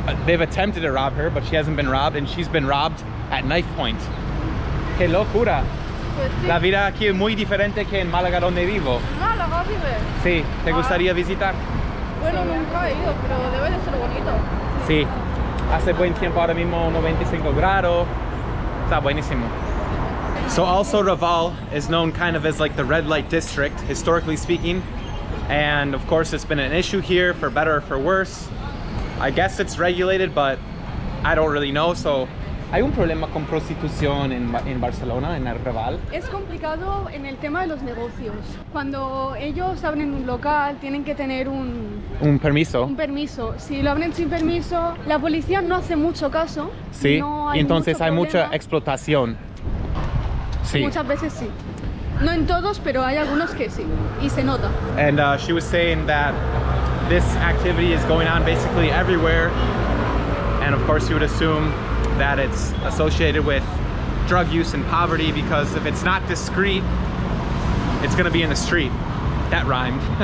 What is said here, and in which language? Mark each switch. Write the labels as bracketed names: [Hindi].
[English] They've attempted to rob her, but she hasn't been robbed, and she's been robbed at knife point. [Spanish] Qué locura. La vida aquí es muy diferente que en Málaga donde vivo. Málaga vive. Sí. ¿Te gustaría visitar? Bueno, nunca he ido, pero debe de ser bonito. Sí. Hace buen tiempo ahora mismo, 95 grados. Está buenísimo. [English] So also Raval is known kind of as like the red light district, historically speaking. And of course it's been an issue here for better or for worse. I guess it's regulated, but I don't really know. So [Spanish] hay un problema con prostitución en Barcelona, en el Raval. Es complicado en el tema de los negocios. Cuando ellos abren un local, tienen que tener un permiso. Un permiso. Si lo abren sin permiso, la policía no hace mucho caso. Sí. No hay y entonces mucho hay problema. Mucha explotación. Sí. Muchas veces sí. No en todos, pero hay algunos que sí, y se nota. [English] And she was saying that this activity is going on basically everywhere, and of course you would assume that it's associated with drug use and poverty, because if it's not discreet, it's gonna be in the street. That rhymed.